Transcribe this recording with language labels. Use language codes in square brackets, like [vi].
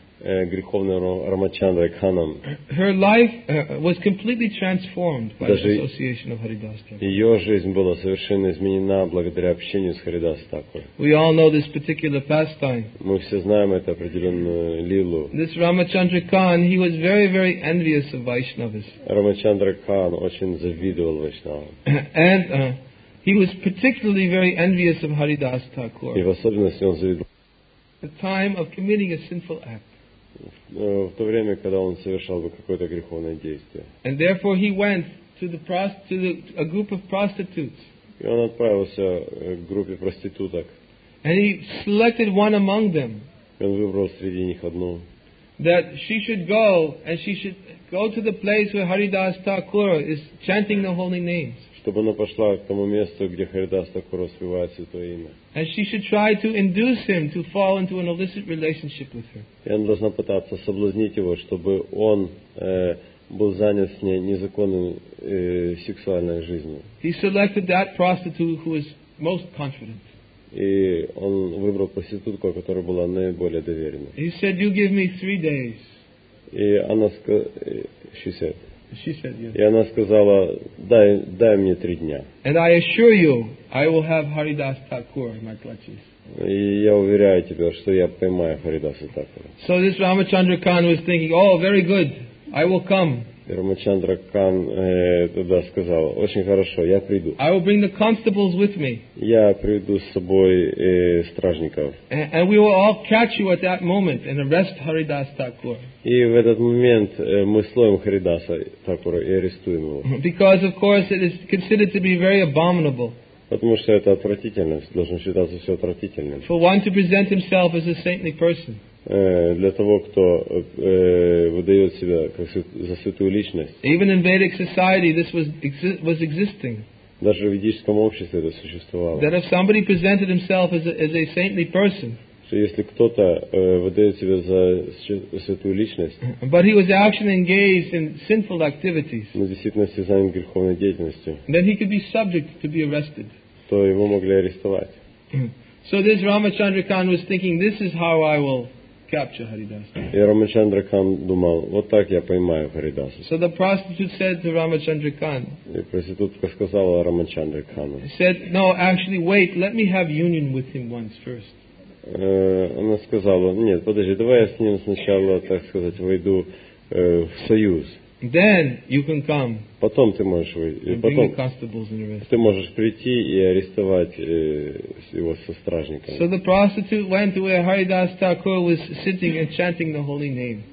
[ru] Греховный Рамачандра Кханом. [en] Her life was completely transformed by the association of Haridas [ru] Thakur. Ее жизнь была совершенно изменена благодаря общению с Haridas Thakur. [en] We all know this particular pastime. [ru] Мы все знаем эту определенную лилу. [en] This Ramachandra Khan, he was very, very envious of Vaishnavas. [ru] Рамачандра Кхан очень завидовал Вайшнавам. [en] And he was particularly very envious of Haridas Thakur. [ru] И в особенности он завидовал. [en] The time of committing a sinful act. [ru] В то время, когда он совершал бы какое-то греховное действие. [en] And therefore he went to the group of prostitutes. [ru] И он отправился к группе проституток. [en] And he selected one among them. [ru] И он выбрал среди них одну. [en] That she should go and she should go to the place where Haridas Thakur is chanting the holy names. [ru] Чтобы она пошла к тому месту, где Haridas Thakur воспевает святое имя. [en] And she should try to induce him to fall into an illicit relationship with her. [ru] И она должна пытаться соблазнить его, чтобы он был занят с ней незаконной сексуальной жизнью. [en] He selected that prostitute who was most confident. [ru] И он выбрал проститутку, которая была наиболее доверена. [en] He said, "You give me 3 days." [ru] И она сказала, [en] she said. [ru] И она сказала, дай мне 3 дня. [en] And I assure you, I will have Haridas Thakur in my clutches. [ru] И я уверяю тебя, что я поймаю Харидаса Такура. [en] So this Ramachandra Khan was thinking, oh, very good, I will come. [ru] И Рамачандра Кхан тогда сказал, очень хорошо, я приду. [en] I will bring the constables with me. [ru] Я приведу с собой стражников. [en] And we will all catch you at that moment and arrest Haridas Thakur. [ru] И в этот момент мы словим Харидаса Такура и арестуем его. [en] Because, of course, it is considered to be very abominable. [ru] Потому что это отвратительно, должен считаться все отвратительным. [en] For one to present himself as a saintly person. [ru] Для того, кто выдает себя как за святую личность. [en] Even in Vedic society, this was existing. [ru] Даже в ведическом обществе это существовало. [en] That if somebody presented himself as a saintly person. [ru] Что если кто-то выдает себя за святую личность. [en] But he was actually engaged in sinful activities. [ru] Но в действительности занят греховной деятельностью. [en] Then he could be subject to be arrested. [ru] То его могли арестовать. [en] So this Ramachandra Khan was thinking, this is how I will. Capture Haridas. [ru] И Рамачандра Кхан думал, вот так я поймаю Харидаса. [en] So the prostitute said to Ramachandra Khan. [ru] И проститутка сказала Рамачандра Кхану. [en] He said, no, actually, wait, let me have union with him once first. [ru] Она сказала, нет, подожди, давай я с ним сначала, так сказать, войду в союз. [en] Then you can come. [ru] Потом ты можешь выйти. Потом ты можешь прийти и арестовать его со стражниками. [en] So the prostitute went to where Haridas Thakur was sitting and chanting the holy name.